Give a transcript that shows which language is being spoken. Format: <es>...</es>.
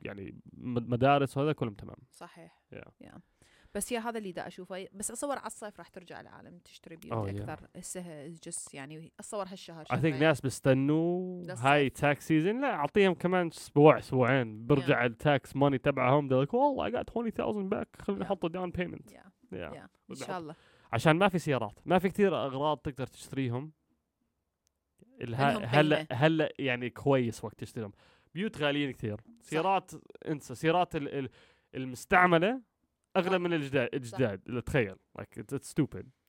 <ar>يعني مدارس وهذا كلهم تمام صحيح</ar> <en>يا yeah.</en> <ar>yeah. بس يا هذا اللي دا أشوفه بس أصور على الصيف راح ترجع العالم تشتري بيوت oh, أكثر yeah. السه جس يعني أصور هالشهر</ar> <en>I think</en> <ar>ناس بستنوا هاي tax season لا أعطيهم كمان أسبوع أسبوعين برجع yeah.</ar> <en>tax money</en> <ar>تبعهم</ar> <en>they're like well I got 20,000 back</en> <ar>خلينا نحط</ar> <en>yeah. down payment yeah. Yeah. Yeah.</en> <ar>إن شاء الله عشان ما في سيارات ما في كتير أغراض تقدر تشتريهم هلا يعني كويس وقت تشتريهم بيوت غاليين كتير سيارات صح. انسى سيارات الـ المستعملة اغلى من الجداد تخيل</ar> <en>like it's stupid</en>